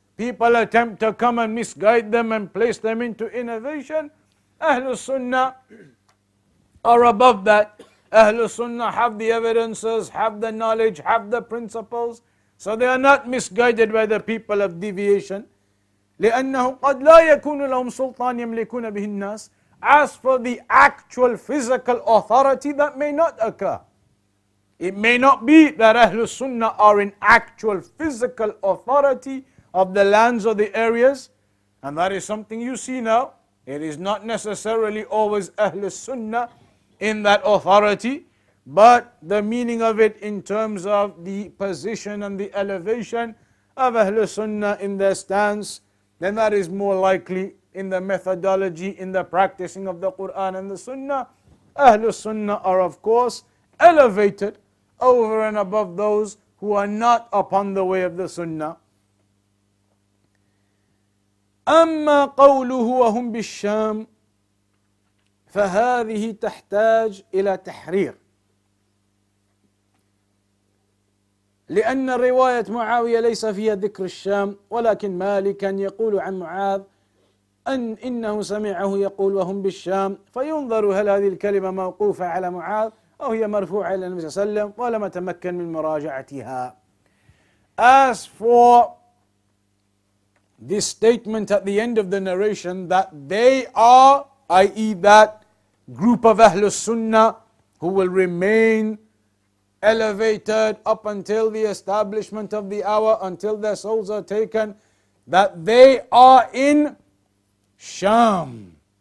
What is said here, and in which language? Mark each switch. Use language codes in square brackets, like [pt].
[en] People attempt to come and misguide them and place them into innovation. Ahlul Sunnah are above that. Ahlul Sunnah have the evidences, have the knowledge, have the principles. So they are not misguided by the people of deviation. [ar] لأنه قد لا يكون لهم سلطان يملكون به الناس. [en] As for the actual physical authority, that may not occur. It may not be that Ahlul Sunnah are in actual physical authority of the lands or the areas. And that is something you see now. It is not necessarily always Ahlul Sunnah in that authority. But the meaning of it in terms of the position and the elevation of Ahlul Sunnah in their stance, then that is more likely in the methodology, in the practicing of the Qur'an and the Sunnah. Ahlul Sunnah are of course elevated over and above those who are not upon the way of the Sunnah. [ar] أَمَّا قَوْلُهُ وَهُمْ بِالشَّامِ فَهَذِهِ تَحْتَاجْ إِلَى تَحْرِيرٍ لأن رواية معاوية ليس فيها ذكر الشام ولكن مالكا يقول عن معاذ أن إنه سمعه يقول وهم بالشام فينظر هل هذه الكلمة موقوفة على معاذ أو هي مرفوعة إلى النبي صلى الله عليه وسلم ولم تمكن من مراجعتها. [en] As for this statement at the end of the narration that they are, i.e. that group of Ahl Sunnah who will remain elevated up until the establishment of the hour, until their souls are taken, that they are in Sham.